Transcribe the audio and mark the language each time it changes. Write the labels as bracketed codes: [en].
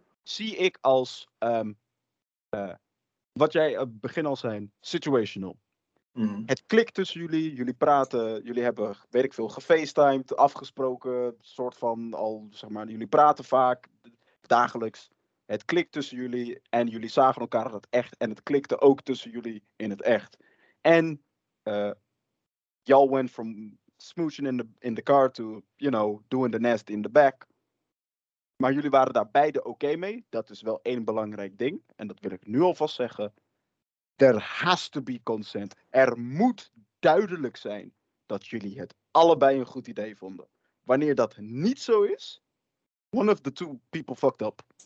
[nl] Zie ik als, wat jij het begin al zei, situational. Mm. Het klikt tussen jullie, jullie praten, jullie hebben, weet ik veel, gefacetimed, afgesproken, soort van al, zeg maar, jullie praten vaak, dagelijks. Het klikt tussen jullie en jullie zagen elkaar dat echt en het klikte ook tussen jullie in het echt. [en] En y'all went from smooching in the car to, you know, doing the nest in the back. [nl] Maar jullie waren daar beide oké mee. Dat is wel één belangrijk ding. En dat wil ik nu alvast zeggen. [en] There has to be consent. [nl] Er moet duidelijk zijn dat jullie het allebei een goed idee vonden. Wanneer dat niet zo is, [en] one of the two people fucked up.